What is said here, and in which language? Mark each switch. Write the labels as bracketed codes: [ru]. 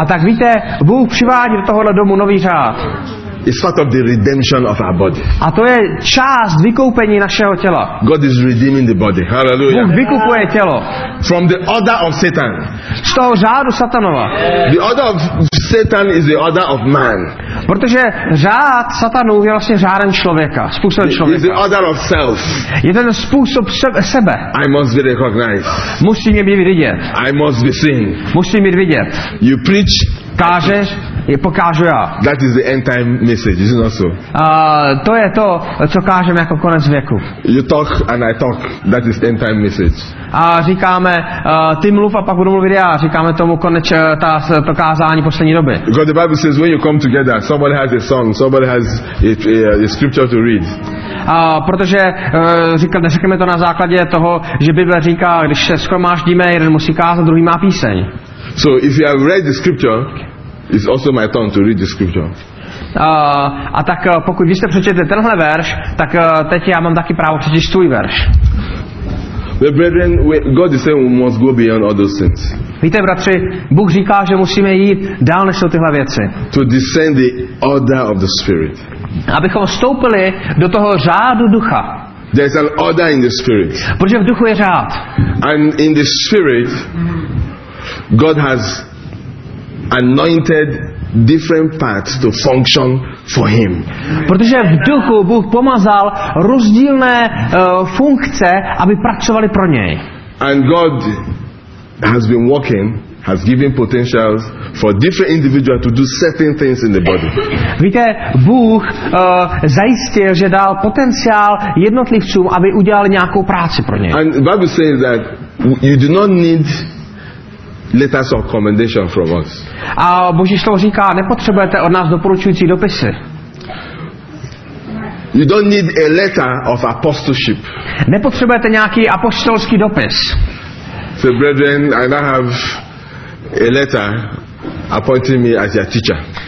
[cs] A tak víte, Bůh přivádí do tohohle domu nový řád. [en] It's part of the redemption of our body. [cs] A to je část vykoupení našeho těla. [en] God is redeeming the body. Hallelujah. [cs] Bůh vykupuje tělo. [en] From the order of Satan. [cs] Z toho řádu Satanova. [en] The order of Satan is the order of man. [cs] Protože řád Satanu je vlastně řádem člověka, způsobem člověka. [en] It's the order of self. [cs] Je ten způsob sebe. [en] I must be recognized. [cs] Musí mě být vidět. [en] I must be seen. [cs] Musí mě vidět. [en] You preach. [cs] Kážeš, je pokážu já. [en] That is the end time message, isn't it so? [cs] To je to, co kážeme jako konec věku. [en] You talk and I talk. That is the end time message. [cs] A říkáme, ty mluv a pak budu mluvit já. Říkáme tomu koneč to kázání poslední doby. [en] Because the Bible says when you come together, somebody has a song, somebody has a scripture to read. [cs] Protože říkal, neřekneme to na základě toho, že Bible říká, když se shromáždíme, jeden musí kázat, druhý má píseň. [en] So if you have read the scripture, it's also my turn to read the scripture. [cs] A tak pokud vy jste přečetli tenhle verš, tak teď já mám taky právo přečíst svůj verš. [en] The brethren, God is saying we must go beyond all those things. [cs] Víte, bratři, Bůh říká, že musíme jít dál než jsou tyhle věci. [en] To descend the order of the Spirit. [cs] Abychom vstoupili do toho řádu ducha. [en] There is an order in the Spirit. [cs] Protože v duchu je řád. [en] And in the Spirit, God has anointed different parts to function for him. [cs] Protože v duchu Bůh pomazal rozdílné funkce, aby pracovali pro něj. [en] And God has been working, has given potentials for different individuals to do certain things in the body. [cs] Víte, Bůh zajistil, že dal potenciál jednotlivcům, aby udělali nějakou práci pro něj. [en] And the Bible says that you do not need letters of commendation from us. [cs] A Boží slovo říká, nepotřebujete od nás doporučující dopisy. [en] You don't need a letter of apostleship. [cs] Nepotřebujete nějaký apostolský dopis. [en] So brethren, I now have a letter appointing me as your teacher.